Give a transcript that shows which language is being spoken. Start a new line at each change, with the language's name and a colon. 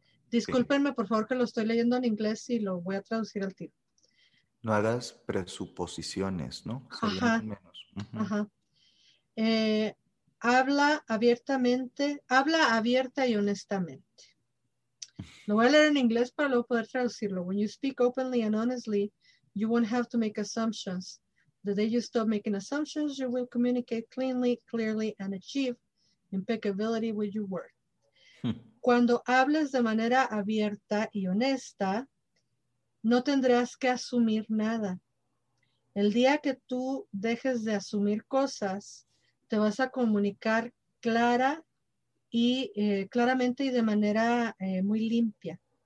Spanish: Discúlpenme, por favor, que lo estoy leyendo en inglés y lo voy a traducir al tiro. No hagas presuposiciones, ¿no? Sería más o menos. ajá. Habla abiertamente, habla abierta y honestamente. Lo voy a leer en inglés para luego poder traducirlo.
English: When you speak openly and honestly, you won't have to make assumptions. The day you stop making assumptions, you will communicate cleanly, clearly, and achieve impeccability with your word.
Spanish: Cuando hables de manera abierta y honesta, no tendrás que asumir nada. El día que tú dejes de asumir cosas, te vas a comunicar clara y claramente y de manera muy limpia.